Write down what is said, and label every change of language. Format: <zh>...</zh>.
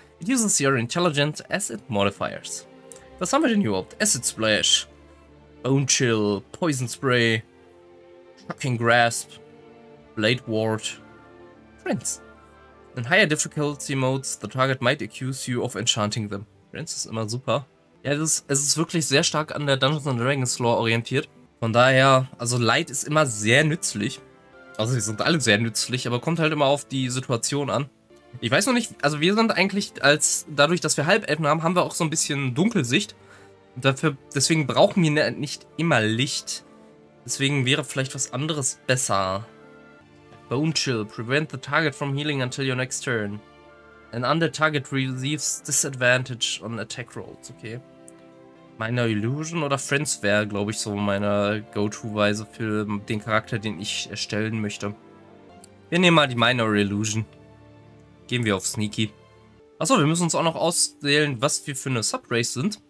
<en>It uses your intelligence as it modifiers.</en> <de>Was haben wir denn überhaupt?</de> <en>Acid Splash, Bone Chill, Poison Spray, Shocking Grasp, Blade Ward, Prince. In higher difficulty modes, the target might accuse you of enchanting them.</en> <de>Prince ist immer super. Ja, es ist wirklich sehr stark an der Dungeons & Dragons Lore orientiert. Von daher, also Light ist immer sehr nützlich. Also sie sind alle sehr nützlich, aber kommt halt immer auf die Situation an. Ich weiß noch nicht, also wir sind eigentlich, als dadurch, dass wir Halbelfen haben, haben wir auch so ein bisschen Dunkelsicht. Und deswegen brauchen wir nicht immer Licht. Deswegen wäre vielleicht was anderes besser. Bone Chill.</de> <en>Prevent the target from healing until your next turn. An under target receives disadvantage on attack rolls. Okay.</en> <de>Minor Illusion oder Friends wäre, glaube ich, so meine Go-To-Weise für den Charakter, den ich erstellen möchte. Wir nehmen mal die Minor Illusion. Gehen wir auf Sneaky. Achso, wir müssen uns auch noch auswählen, was wir für eine Subrace sind.</de>